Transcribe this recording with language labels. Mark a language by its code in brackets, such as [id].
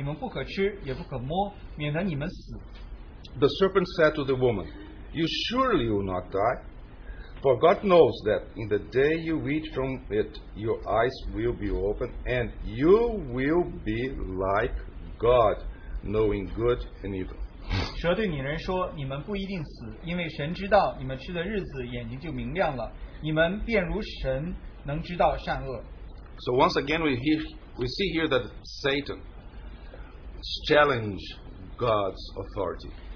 [zh] 女人对蛇说，园中树上的果子我们可以吃，唯有园当中那棵树上的果子，神曾说，你们不可吃，也不可摸，免得你们死。 [en] The serpent said to the woman, You surely will not die. For God knows that in the day you eat from it, your eyes will be opened, and you will be like God, knowing good and evil. [zh] 蛇对女人说，你们不一定死，因为神知道你们吃的日子眼睛就明亮了，你们便如神能知道善恶。So [en] once again we see here that Satan challenged God's authority.